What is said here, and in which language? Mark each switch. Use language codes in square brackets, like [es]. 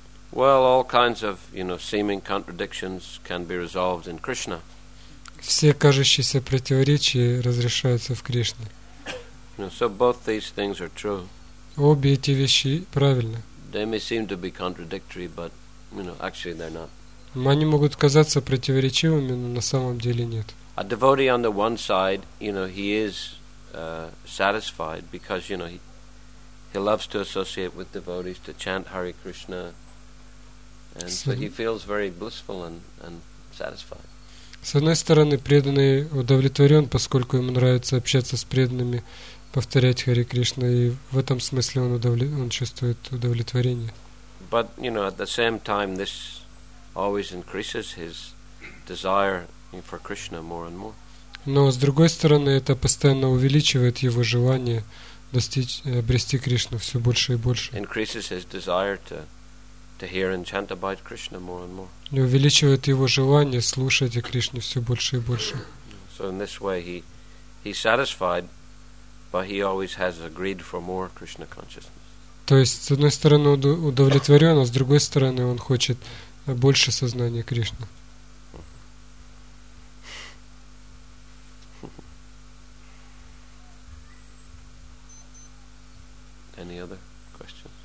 [en] Well, all kinds of, you know, seeming contradictions can be resolved in Krishna. [ru] Все кажущиеся противоречия разрешаются в Кришне. [en] So both these things are true. [ru] Обе эти вещи правильны. [en] They may seem to be contradictory, but, you know, actually they're not. [ru] Они могут казаться противоречивыми, но на самом деле нет. [en] A devotee on the one side, you know, he is satisfied because, you know, he loves to associate with devotees, to chant Hare Krishna, and so he feels very blissful and satisfied. [ru] С одной стороны, преданный удовлетворен, поскольку ему нравится общаться с преданными, повторять Hare Krishna, и в этом смысле он чувствует удовлетворение. [en] But, you know, at the same time, this always increases his desire for Krishna more and more. [ru] Но с другой стороны, это постоянно увеличивает его желание обрести Кришну все больше и больше. [en] Increases his desire to hear and chant about Krishna more and more. [ru] И увеличивает его желание слушать о Кришне все больше и больше. [en] So in this way he's satisfied, but he always has a greed for more Krishna consciousness. [ru] То есть с одной стороны удовлетворен, а с другой стороны он хочет больше сознания Кришны. [en] Any other questions?